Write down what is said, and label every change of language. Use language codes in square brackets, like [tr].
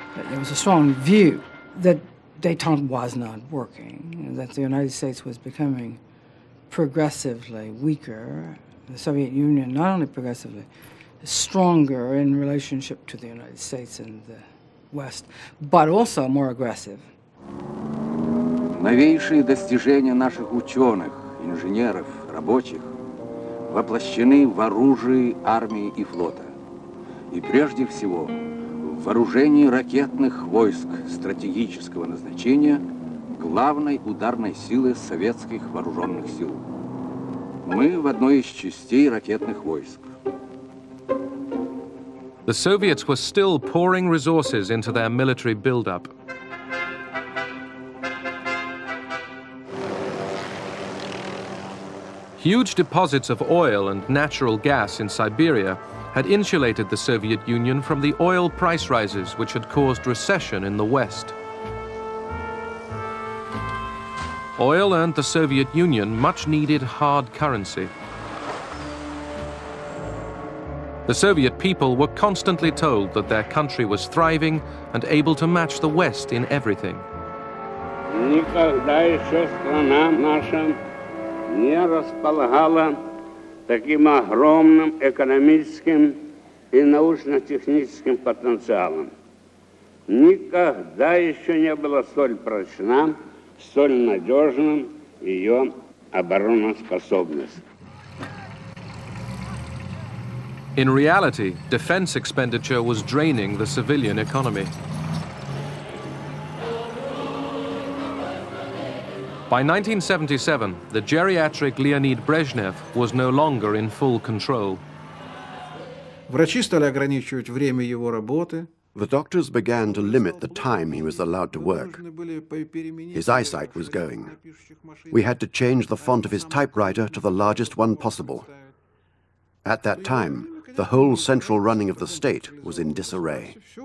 [en] There was a strong view that détente was not working, that the United States was becoming progressively weaker, the Soviet Union not only progressively, stronger in relationship to the United States and the West, but also more aggressive. [ru] Новейшие достижения наших ученых, инженеров, рабочих воплощены в оружии армии и флота. И прежде всего, в вооружении ракетных войск стратегического назначения главной ударной силы советских вооруженных сил. Мы в одной из частей ракетных войск. [en] The Soviets were still pouring resources into their military buildup. Huge deposits of oil and natural gas in Siberia had insulated the Soviet Union from the oil price rises which had caused recession in the West. Oil earned the Soviet Union much-needed hard currency. The Soviet people were constantly told that their country was thriving and able to match the West in everything. [ru] Никогда еще страна наша не располагала таким огромным экономическим и научно-техническим потенциалом. Никогда еще не была столь прочна, столь надежна ее обороноспособность. [en] In reality, defense expenditure was draining the civilian economy. By 1977, the geriatric Leonid Brezhnev was no longer in full control. [ru] Врачи стали ограничивать время его работы. [en] The doctors began to limit the time he was allowed to work. His eyesight was going. We had to change the font of his typewriter to the largest one possible. At that time, the whole central running of the state was in disarray.